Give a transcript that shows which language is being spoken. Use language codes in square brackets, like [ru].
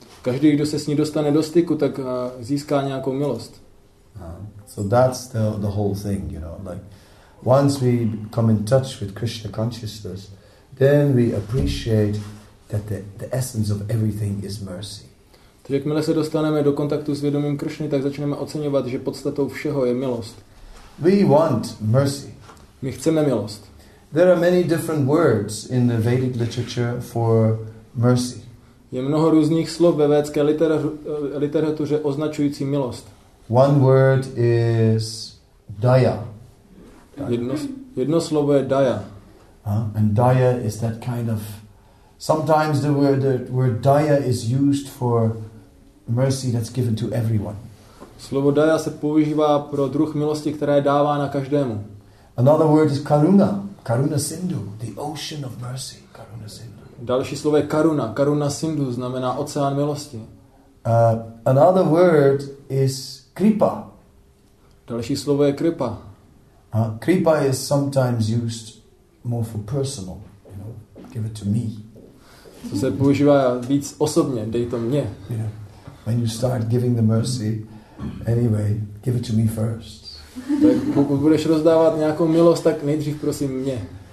[cs] Každý, kdo se s ní dostane do styku, tak získá nějakou milost. [en] So that's the whole thing, you know. Like once we come in touch with Krishna consciousness, then we appreciate that the essence of everything is mercy. [cs] Takže jakmile se dostaneme do kontaktu s vědomím Kršny, tak začneme oceňovat, že podstatou všeho je milost. [en] We want mercy. [cs] My chceme milost. [en] There are many different words in the Vedic literature for mercy. [cs] Je mnoho různých slov ve védské literatuře označující milost. [en] One word is daya. [cs] Jedno slovo je daya. [en] And daya is that kind of sometimes the word daya is used for mercy that's given to everyone. [cs] Slovo daya se používá pro druh milosti, která je dávána každému. [en] Another word is karuna. Karuna Sindhu, the ocean of mercy. Karuna Sindhu. [cs] Další slovo je karuna. Karuna Sindhu znamená oceán milosti. [en] Another word is kripa. [cs] Další slovo je kripa. [en] Kripa is sometimes used more for personal, you know, give it to me. [cs] To se používá víc osobně, dej to mně. Yeah. [en] When you start giving the mercy, anyway, give it to me first. [cs] Tak pokud budeš rozdávat nějakou milost, tak nejdřív prosím mě.